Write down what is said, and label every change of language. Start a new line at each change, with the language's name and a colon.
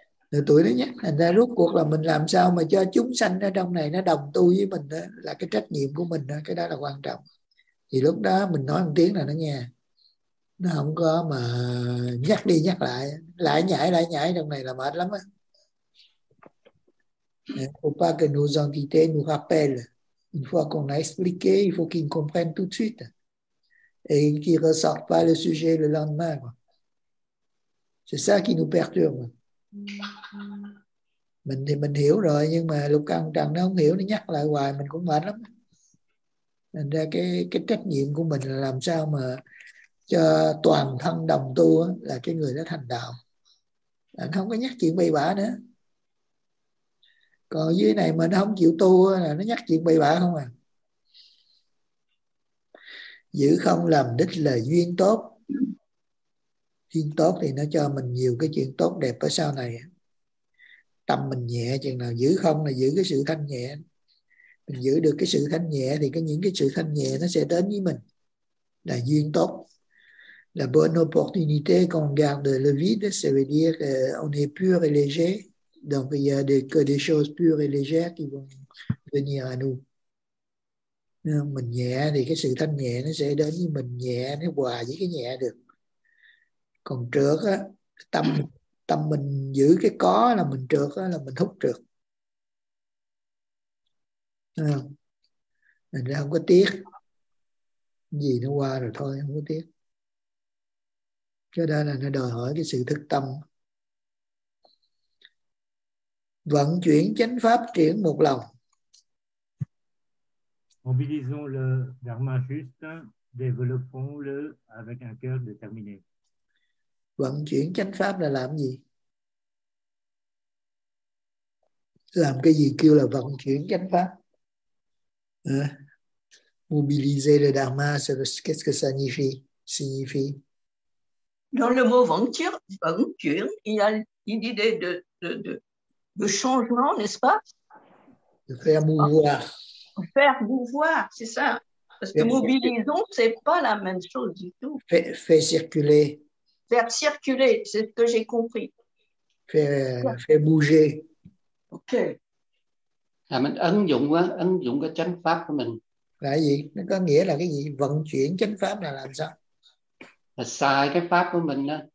Vietnamese: Rồi tụi nó nhắc, thành ra rốt cuộc là mình làm sao mà cho chúng sanh ở trong này nó đồng tu với mình đó, là cái trách nhiệm của mình đó, cái đó là quan trọng. Thì lúc đó mình nói một tiếng là nó nghe, nó không có mà nhắc đi nhắc lại, lại nhảy trong này là mệt lắm á.
French: Faut pas que nos invités nous rappellent une fois qu'on a expliqué, il faut qu'ils comprennent tout de suite et qu'ils ressortent pas le sujet le lendemain. C'est ça qui nous perturbe.
Vietnamese: Mình thì mình hiểu rồi, nhưng mà lúc căng trần nó không hiểu, nó nhắc lại hoài mình cũng mệt lắm. Thành ra cái trách nhiệm của mình là làm sao mà cho toàn thân đồng tu là cái người đã thành đạo, là nó không có nhắc chuyện bậy bạ nữa. Còn dưới này mà nó không chịu tu là nó nhắc chuyện bậy bạ không à. Giữ không làm đích là duyên tốt. Duyên tốt thì nó cho mình nhiều cái chuyện tốt đẹp ở sau này. Tâm mình nhẹ chừng nào giữ không là giữ cái sự thanh nhẹ. Mình giữ được cái sự thanh nhẹ thì cái những cái sự thanh nhẹ nó sẽ đến với mình. Là duyên tốt.
French: La bonne opportunité qu'on garde le vide, ça veut dire qu'on est pur et léger. Donc, il y a que des choses pures et légères qui vont venir à nous.
Vietnamese: Mình nhẹ thì cái sự thanh nhẹ nó sẽ đến với mình, nhẹ nó hòa với cái nhẹ được. Còn trược á, tâm mình giữ cái có là mình trược á, là mình hút trược. Mình không có tiếc. Gì nó qua rồi thôi, không có tiếc. Cho nên là nó đòi hỏi cái sự thức tâm. Vận chuyển chánh pháp triển một lòng.
French: Mobilisons le dharma juste, développons le avec un cœur déterminé.
Vietnamese: Vận chuyển chánh pháp là làm gì? Làm cái gì kêu là vận chuyển chánh pháp?
French: Mobiliser le dharma, qu'est-ce que ça signifie? Dans le mot vận chuyển, il y a une idée de changement, n'est-ce pas? De faire mouvoir. Faire mouvoir, c'est ça. Parce que mobilisons, c'est pas la même chose du tout. Faire circuler. Faire circuler, c'est ce que j'ai compris. Faire bouger. Ok.
Vietnamese: Là mình ứng dụng cái chánh pháp của mình. Là gì? Nó có nghĩa là cái gì? Vận chuyển chánh pháp là làm sao? Là xài cái pháp của mình đó.